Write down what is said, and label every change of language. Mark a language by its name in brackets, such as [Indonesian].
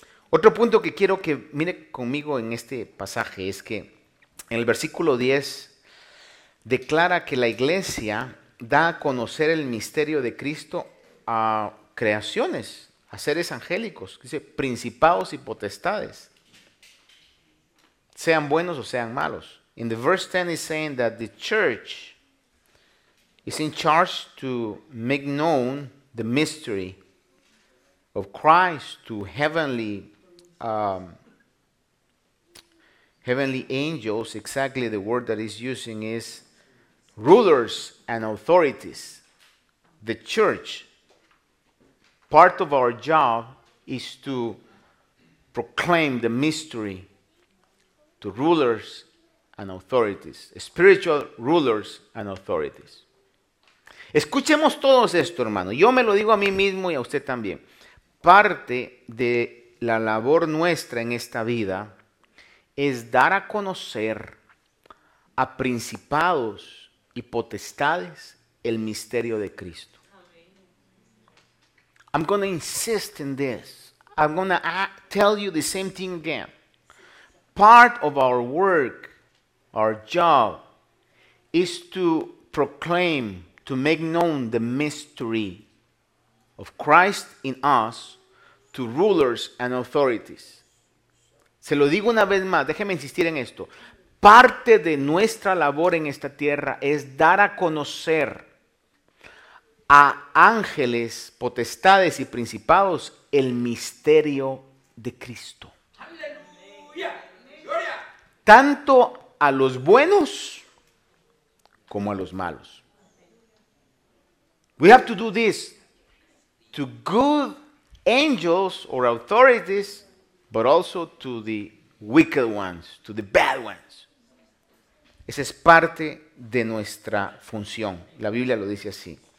[Spanish] Otro punto que quiero que mire conmigo en este pasaje es que en el versículo 10 declara que la iglesia da a conocer el misterio de Cristo a creaciones, a seres angélicos, dice principados y potestades, sean buenos o sean malos. [English] In the verse 10 is saying that the church is in charge to make known the mystery of Christ to heavenly heavenly angels. Exactly, the word that he's using is rulers and authorities. The church, part of our job is to proclaim the mystery to rulers and authorities, spiritual rulers and authorities. [Spanish] Escuchemos todos esto, hermano. Yo me lo digo a mí mismo y a usted también. Parte de la labor nuestra en esta vida es dar a conocer a principados y potestades el misterio de Cristo. [English] I'm going to insist in this. I'm going to tell you the same thing again. Part of our work, our job, is to proclaim, to make known the mystery of Christ in us to rulers and authorities. [Spanish] Se lo digo una vez más, déjeme insistir en esto. Parte de nuestra labor en esta tierra es dar a conocer a ángeles, potestades y principados el misterio de Cristo. ¡Aleluya! ¡Gloria! Tanto a los buenos como a los malos. [English] We have to do this to good angels or authorities, but also to the wicked ones, to the bad ones. [Spanish] Esa es parte de nuestra función. La Biblia lo dice así.